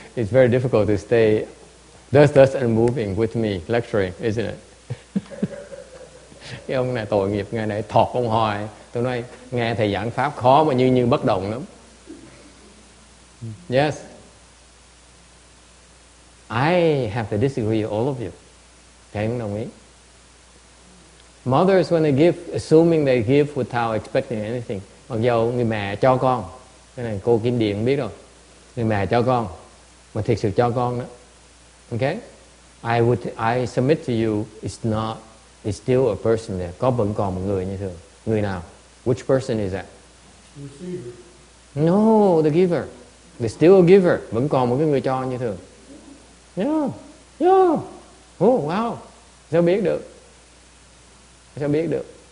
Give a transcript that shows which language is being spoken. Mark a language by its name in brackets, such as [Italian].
[English] It's very difficult to stay thus unmoving with me lecturing, isn't it? [Vietnamese] Cái ông này tội nghiệp, ngày này thọt ông hoài. Tôi nói nghe thầy giảng pháp khó mà như bất động lắm. [English] Yes. I have to disagree with all of you. [Vietnamese] Thầy không đồng ý. [English] Mothers, when they give, assuming they give without expecting anything. [Vietnamese] Mặc dù người mẹ cho con, cái này cô Kim Điền biết rồi, người mẹ cho con mà thiệt sự cho con đó. [English] Okay, I submit to you, it's still a person there. [Vietnamese] Có vẫn còn một người như thường. Người nào? [English] Which person is that? Receiver. No, the giver. Receiver. There's still a giver. [Vietnamese] Vẫn còn một cái người cho như thường. [English] Yeah. Yeah. Oh, wow. [Vietnamese] Sao biết được? Sao biết được?